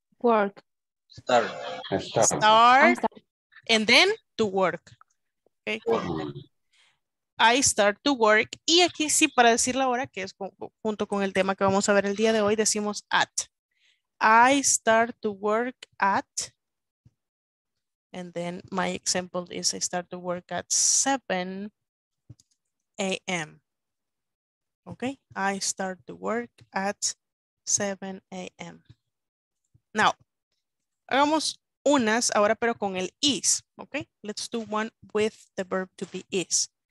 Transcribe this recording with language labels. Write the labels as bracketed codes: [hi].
[en] Work. Start. Start. And then to work. Okay. I start to work. [es] Y aquí sí, para decir la hora, que es junto con el tema que vamos a ver el día de hoy, decimos at. [en] I start to work at. And then my example is I start to work at 7 a.m. Okay. I start to work at 7 a.m. [es] Now, hagamos unas ahora, pero con el is. [en] Okay. Let's do one with the verb to be is.